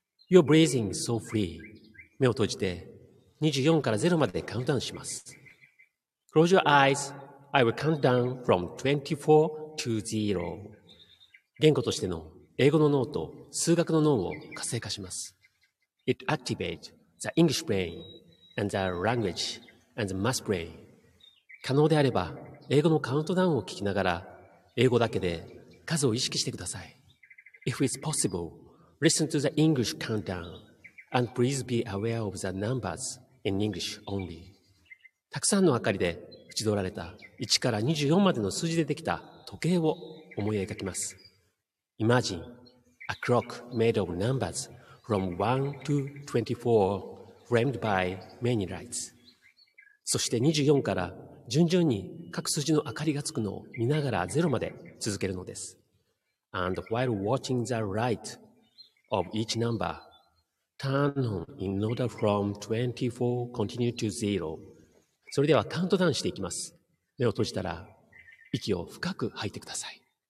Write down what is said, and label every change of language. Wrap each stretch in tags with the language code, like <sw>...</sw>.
<en>You're breathing so free.</en> <ja>目を閉じて24から0までカウントダウンします。</ja> <en>Close your eyes. I will count down from 24 to 0.</en> <ja>言語としての英語の脳と数学の脳を活性化します。</ja> <en>It activates the English brain and the language and the math brain.</en> <ja>可能であれば英語のカウントダウンを聞きながら英語だけで数を意識してください。</ja> <en>If it's possible, listen to the English countdown and please be aware of the numbers in English only.</en> <ja>たくさんの明かりで縁取られた1から24までの数字でできた時計を思い描きます。</ja> <en>Imagine a clock made of numbers from 1 to 24 framed by many lights.</en> <ja>そして24から順々に各数字の明かりがつくのを見ながら0まで続けるのです。</ja> <en>And while watching the light of each number, turn on in order from 24 continue to 0.</en> <ja>それではカウントダウンしていきます。目を閉じたら息を深く吐いてください。</ja>